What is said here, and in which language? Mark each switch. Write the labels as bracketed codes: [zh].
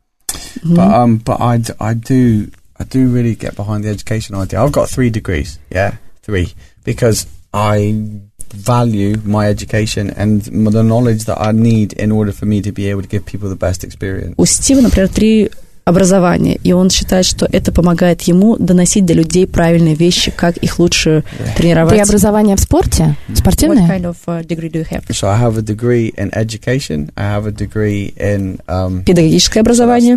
[en] Yeah. Mm-hmm. But I do really get behind the education idea. I've got 3 degrees. Yeah, 3, because I value my education and the knowledge that I need in order for me to be able to give people the best experience. [ru] У Стива, например, 3 образования, и он считает, что это помогает ему доносить до людей правильные вещи, как их лучше тренировать. 3 образования в спорте? Спортивные? [en] What kind of degree do you have? So I have a degree in education, I have a degree in... [ru] Педагогическое образование.